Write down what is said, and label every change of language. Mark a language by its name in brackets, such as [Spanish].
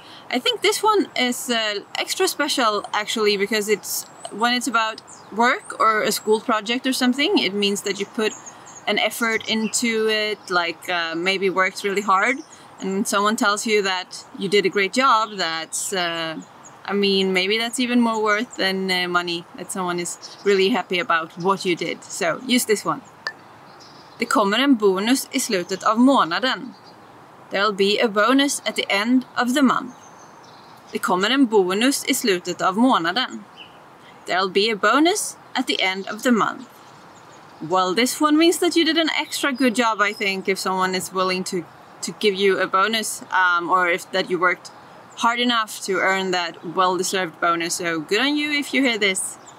[English] I think this one is extra special actually because it's when it's about work or a school project or something, it means that you put an effort into it, like maybe worked really hard. And someone tells you that you did a great job, that's, I mean, maybe that's even more worth than money, that someone is really happy about what you did. So, use this one. [Swedish] Det kommer en bonus i slutet av månaden. [English] There'll be a bonus at the end of the month. [Swedish] Det kommer en bonus i slutet av månaden. [English] There'll be a bonus at the end of the month. Well, this one means that you did an extra good job, I think, if someone is willing to give you a bonus, or if that you worked hard enough to earn that well-deserved bonus. So good on you if you hear this.